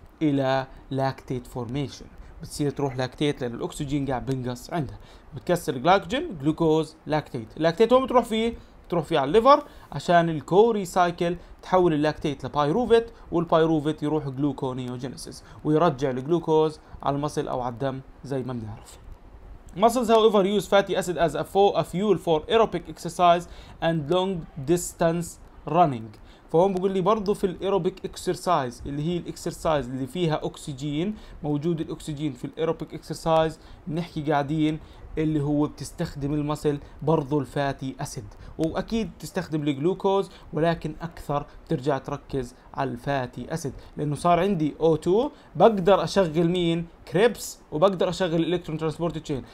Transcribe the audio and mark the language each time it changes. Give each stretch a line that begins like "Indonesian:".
Arabic: الى لاكتيت فورميشن، بتصير تروح لاكتيت لان الاكسجين قاعد بنقص عندها، بتكسر جلايكوجين، جلوكوز، لاكتيت، اللاكتيت وين بتروح فيه؟ تروح فيه على الليفر عشان الكوري سايكل تحول اللاكتيت لبايروفيت والبايروفيت يروح جلوكونيوجينيسيس ويرجع الجلوكوز على المصل او على الدم زي ما بنعرف.
English: Muscles however use fatty acid as a fuel for aerobic exercise and long distance running.
Arabic: فهون بقول لي برضه في الايروبيك اكسرسايز اللي هي الاكسرسايز اللي فيها اكسجين، موجود الاكسجين في الايروبيك اكسرسايز بنحكي قاعدين اللي هو بتستخدم المسل برضه الفاتي اسيد، واكيد بتستخدم الجلوكوز ولكن اكثر بترجع تركز على الفاتي اسيد، لانه صار عندي او 2 بقدر اشغل مين؟ كريبس، وبقدر اشغل الالكترون ترانسبورت تشين.